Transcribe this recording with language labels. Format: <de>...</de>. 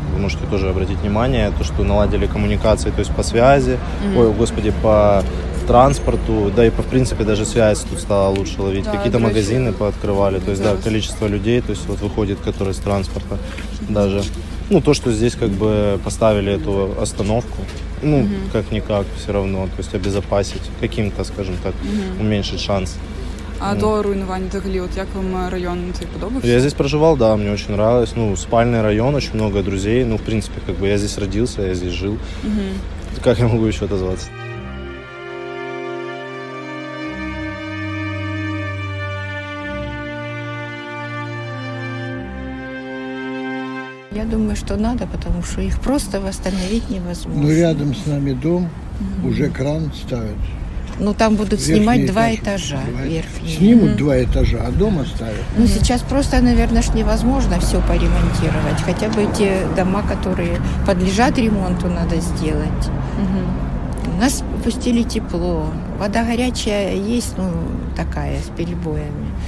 <ru>Вы можете тоже обратить внимание, то, что наладили коммуникации, то есть по связи, по транспорту, да и по, в принципе, даже связь тут стала лучше ловить. Да, какие-то магазины пооткрывали, то есть, да, количество людей, то есть вот выходит, которые с транспорта даже. Ну, то, что здесь как бы поставили эту остановку, ну, как-никак все равно, то есть обезопасить каким-то, скажем так, уменьшить шанс.</ru> <uk>А до руйнування взагалі, от як вам район цей подобався? Я</uk> <ru>здесь</ru> <uk>проживав, да, мені дуже нравилось. Ну, спальний район, дуже багато друзів.</uk> <ru>Ну, в принципі, как бы я здесь родился, я здесь жив.</ru> <uk>Як я можу ще отозватися? Я думаю, що треба, тому що їх просто восстановити невозможно.</uk> <ru>Ну, рядом з нами дом, уже кран ставить. Ну, там будут верхний снимать этаж, два этажа, верхние. Снимут два этажа, а дома ставят. Ну, сейчас просто, наверное, ж невозможно все поремонтировать. Хотя бы те дома, которые подлежат ремонту, надо сделать. У нас пустили тепло. Вода горячая есть, ну, такая, с перебоями.</ru>